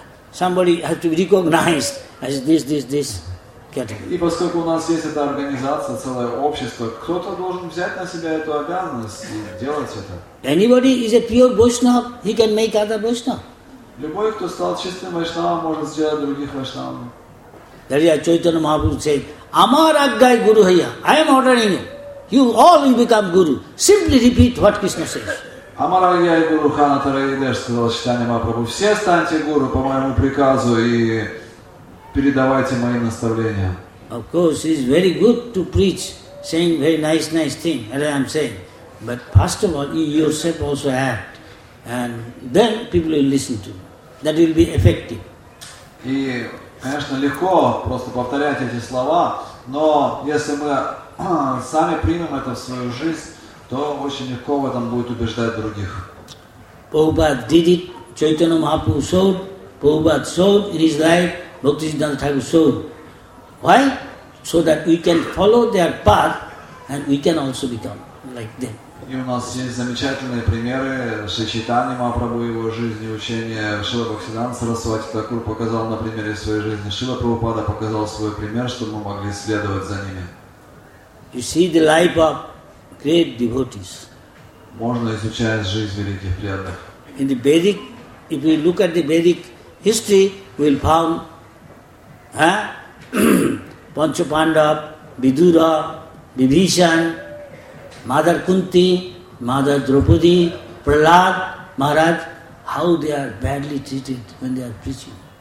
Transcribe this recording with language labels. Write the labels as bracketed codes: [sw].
[en] Somebody has to be recognized as this category. [ru] И поскольку у нас есть эта организация, целое общество, кто-то должен взять на себя эту обязанность и делать это. [en] Anybody is a pure Vaishnava, he can make other Vaishnava. [ru] Любой, кто стал чистым Вайшнавом, может сделать других Вайшнавами. [en] That is why Chaitanya Mahaprabhu said, [bn] Amar Aggai Guru Haya, [en] I am ordering you. You all will become Guru. Simply repeat what Krishna says. [bn] Амарагья и Гуру Хана [ru] Тараидеш сказал Читания Махапрабху, все станьте гуру по моему приказу и передавайте мои наставления. [en] Of course, it is very good to preach, saying very nice thing, as I am saying. But first of all, you yourself also act. And then people will listen to you. That will be effective. [ru] И, конечно, легко просто повторять эти слова, Но если мы сами примем это в свою жизнь, то очень легко в этом будет убеждать других. [en] Prabhupada did it, Chaitanya Mahaprabhu showed, Prabhupada showed in his life, Bhakti Siddhanta Thakur showed. Why? So that we can follow their path and we can also become like them. [ru] И у нас есть замечательные примеры Шри Чайтаньи Махапрабху, его жизни, учения. Шрила Бхактисиддханта Сарасвати Такур показал на примере своей жизни. Шрила Прабхупада показал свой пример, чтобы мы могли следовать за ними. [en] You see the life of great devotees. [ru] Можно изучать жизнь великих преданных. [en] In the Vedic, if we look at the Vedic history, we will find Pancha Pandav, Vidura, Vibhishan, Mother Kunti, Mother Draupadi, Prahlad, Maharaj, how they are badly treated when they are preaching.